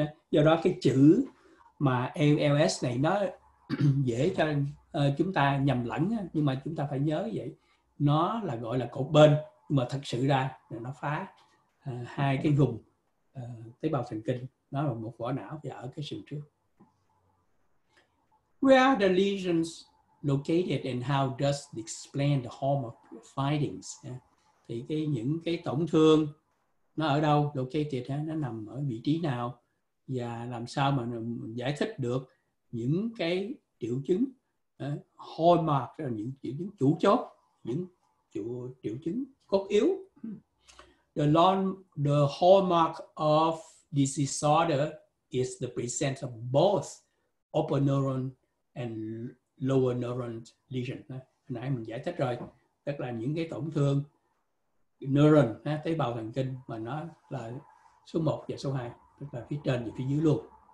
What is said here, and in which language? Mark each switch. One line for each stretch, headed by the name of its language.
Vietnamese: Do đó cái chữ mà ALS này nó dễ cho chúng ta nhầm lẫn, nhưng mà chúng ta phải nhớ vậy, nó là gọi là cột bên, nhưng mà thật sự ra là nó phá hai cái vùng tế bào thần kinh, nó là một vỏ não và ở cái sừng trước.
English: Where are the lesions located and how does it explain the hormone findings?
Vietnamese: Thì cái những cái tổn thương nó ở đâu, located, nó nằm ở vị trí nào, và làm sao mà mình giải thích được những cái triệu chứng hallmark, là những triệu chứng chủ chốt, những triệu chứng cốt yếu.
English: The hallmark of this disorder is the presence of both upper neuron and lower neuron lesion.
Vietnamese: Nãy mình giải thích rồi, tức là những cái tổn thương neuron, tế bào thần kinh, mà nó là số 1 và số 2, tức là phía trên và phía dưới luôn.